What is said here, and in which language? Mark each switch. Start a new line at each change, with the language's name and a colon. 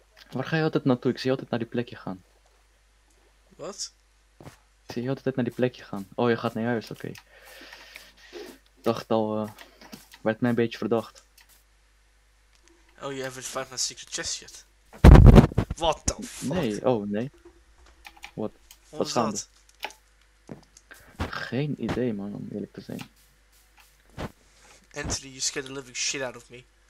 Dutch: Waar ga je altijd naartoe? Ik zie je altijd naar die plekje gaan. Wat? Ik zie je altijd naar die plekje gaan. Oh, je gaat naar huis, oké. Ik dacht al, werd mij een beetje verdacht.
English: Oh, you haven't found my secret chest yet. What the fuck?
Dutch: Nee, oh nee.
English: What?
Dutch: Wat is dat? Geen idee, man, om eerlijk te zijn.
English: Anthony, you scared the living shit out of me.